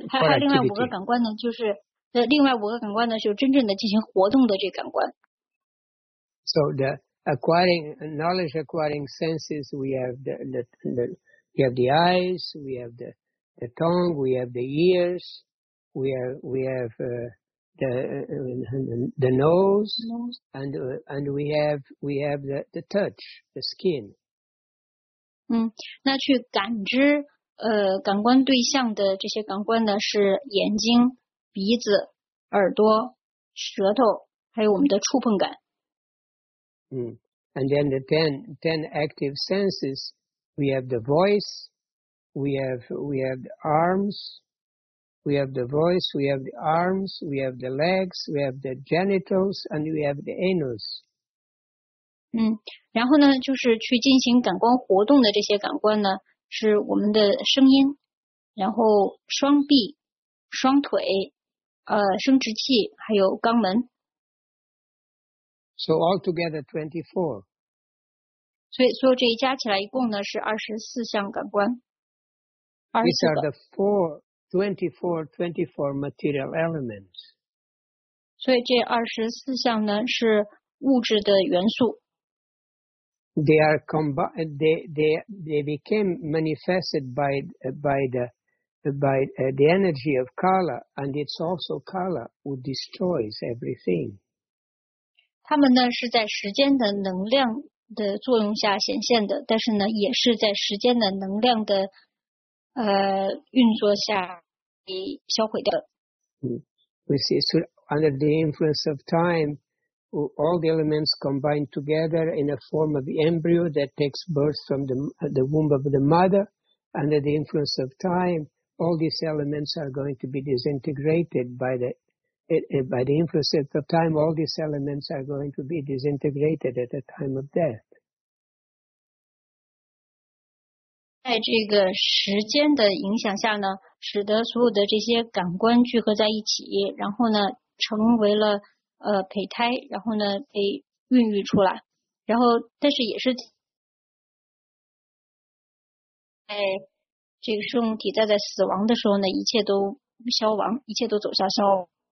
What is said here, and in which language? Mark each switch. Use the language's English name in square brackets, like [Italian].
[Chinese] 就还有另外五个感官呢，就是另外五个感官呢就真正的进行活动的这感官。 [English] So the acquiring knowledge, acquiring senses, we have the eyes, we have the tongue, we have the ears, we have the nose, and we have the touch, the skin. [Chinese] 那去感知感官对象的这些感官呢是眼睛、鼻子、耳朵、舌头，还有我们的触碰感。 [English] And then the ten active senses, we have the voice, we have the arms, we have the voice, we have the arms, we have the legs, we have the genitals, and we have the anus. [Chinese] 然后呢，就是去进行感官活动的这些感官呢，是我们的声音，然后双臂、双腿、生殖器，还有肛门。 [English] So altogether 24. [Chinese] 所以所有这一加起来一共呢是24项感官。 [English] These are the four 24 material elements. [Chinese] 所以这24项呢是物质的元素。 [English] They are combined, they became manifested by the energy of Kala, and it's also Kala who destroys everything. [Chinese] 它们呢是在时间的能量的作用下显现的，但是呢也是在时间的能量的运作下被销毁的。 [English] We see, so under the influence of time, all the elements combine together in a form of the embryo that takes birth from the womb of the mother. Under the influence of time, all these elements are going to be disintegrated by the influence of time. All these elements are going to be disintegrated at the time of death. [Chinese] 在这个时间的影响下呢，使得所有的这些感官聚合在一起，然后呢，成为了胚胎，然后呢被孕育出来，然后但是也是在这个生物体在死亡的时候呢，一切都消亡，一切都走向消